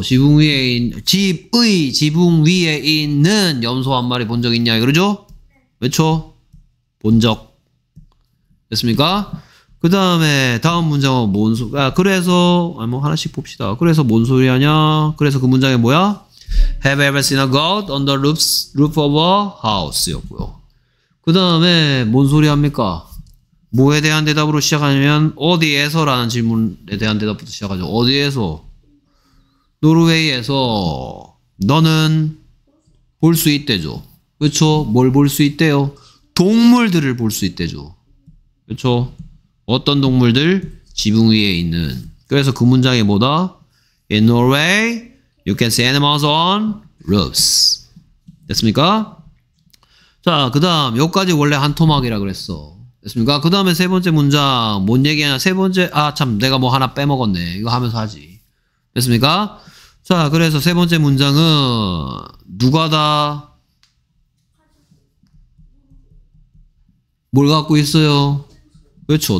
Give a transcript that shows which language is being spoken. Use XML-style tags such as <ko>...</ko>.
<ko>지붕 위에 집의 지붕 위에 있는 염소 한 마리 본 적 있냐 그러죠. 그렇죠. 본 적. 됐습니까? 그 다음에 다음 문장은 뭔 소리. 아, 그래서 뭐 하나씩 봅시다. 그래서 뭔 소리 하냐. 그래서 그 문장이 뭐야?</ko> <en>Have you ever seen a goat on the roof of a house?</en> <ko>였고요. 그 다음에 뭔 소리 합니까? 뭐에 대한 대답으로 시작하냐면 어디에서 라는 질문에 대한 대답부터 시작하죠. 어디에서? 노르웨이에서. 너는 볼 수 있대죠. 그렇죠. 뭘 볼 수 있대요? 동물들을 볼 수 있대죠. 그렇죠. 어떤 동물들? 지붕 위에 있는. 그래서 그 문장이 뭐다?</ko> <en>In Norway, you can see animals on roofs.</en> <ko>됐습니까? 자, 그 다음 여기까지 원래 한 토막이라 그랬어. 됐습니까? 그 다음에 세 번째 문장 뭔 얘기하냐. 세 번째, 아 참 내가 뭐 하나 빼먹었네. 이거 하면서 하지. 됐습니까? 자, 그래서 세 번째 문장은 누가 다 뭘 갖고 있어요? 그렇죠.</ko>